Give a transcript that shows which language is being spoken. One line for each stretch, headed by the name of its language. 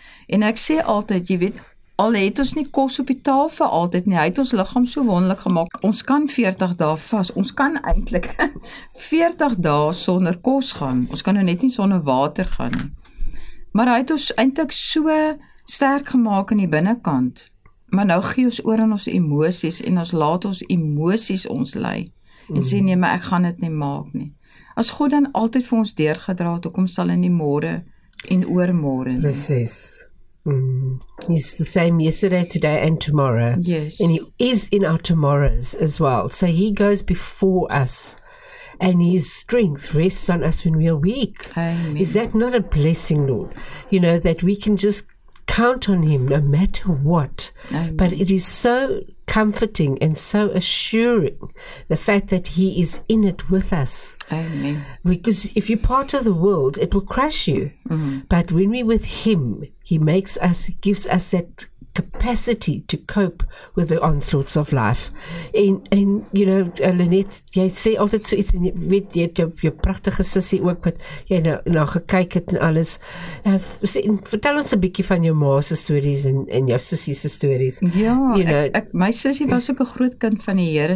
Afrikaans: En ek sê altyd, jy weet, al het ons nie kos op die tafel altyd nie, hy het ons lichaam so wonderlik gemaakt, ons kan 40 dae vas, ons kan eintlik 40 dae sonder kos gaan, ons kan nou net nie sonder water gaan nie, maar hy het ons eintlik so sterk gemaakt in die binnenkant, maar nou gee ons oor in ons emoties, en ons laat ons emoties ons lei, en sê nie, maar ek gaan het nie maak nie, as God dan altyd vir ons deurgedraad, hoekom sal in die môre en oormôre nie. Precies.
English: He's the same yesterday, today and tomorrow. Yes. And he is in our tomorrows as well. So he goes before us, and his strength rests on us when we are weak. Amen. Is that not a blessing, Lord? You know, that we can just count on him no matter what. Amen. But it is so comforting and so assuring, the fact that he is in it with us. Amen. Because if you're part of the world, it will crush you. Mm-hmm. But when we're with him, he makes us, gives us that capacity to cope with the onslaughts of life. And you know,
Afrikaans: Lynette, jy sê altyd so iets, en jy weet, jy het jou prachtige sissie ook, wat jy nou gekyk het en alles. Vertel ons 'n bietjie van jou ma's stories en jou sissie's stories. Ja,
English: you know,
Afrikaans: my sissie was ook 'n groot kind van die Here.